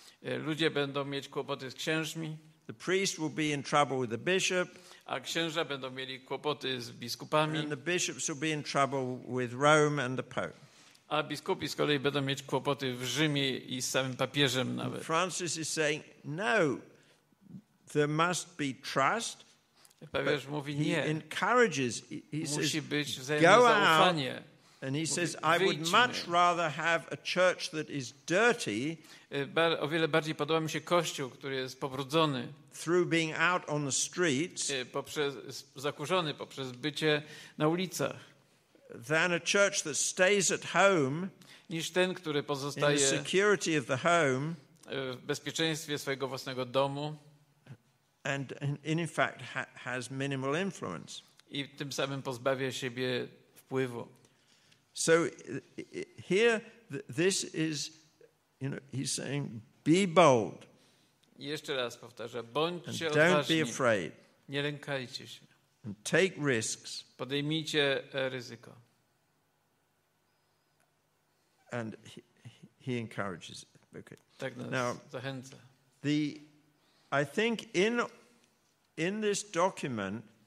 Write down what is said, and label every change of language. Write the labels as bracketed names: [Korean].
[Polish] Ludzie będą mieć kłopoty z księżmi. [English] The priest will be in trouble with the bishop. [Polish] A księża będą mieli kłopoty z biskupami. [English] And the bishops will be in trouble with Rome and the Pope. [Polish] A biskupi z kolei będą mieć kłopoty w Rzymie i z samym papieżem nawet. [English] Francis is saying, no, there must be trust. [Polish] Papież mówi nie. [English] He encourages. He says, [Polish] musi być wzajemne zaufanie. [English] And he says, I would much rather have a church that is dirty. [Polish] O wiele bardziej podoba mi się kościół, który jest pobrudzony. [English] Through being out on the streets. [Polish] Zakurzony poprzez bycie na ulicach. [English] Than a church that stays at home. [Polish] Niż ten, który pozostaje [English] in the security of the home. [Polish] W bezpieczeństwie swojego własnego domu. [English] And in fact has minimal influence. [Polish] I tym samym pozbawia siebie wpływu. [English] So here, this is, you know, he's saying, be bold. [Polish] Jeszcze raz powtarza, bądźcie odważni. [English] Don't be afraid. [Polish] Nie lękajcie się. [English] And take risks. [Polish] Podejmijcie ryzyko. [English] And he encourages it. Okay. [Polish] Tak nas now, zachęca. [English] I think in this document,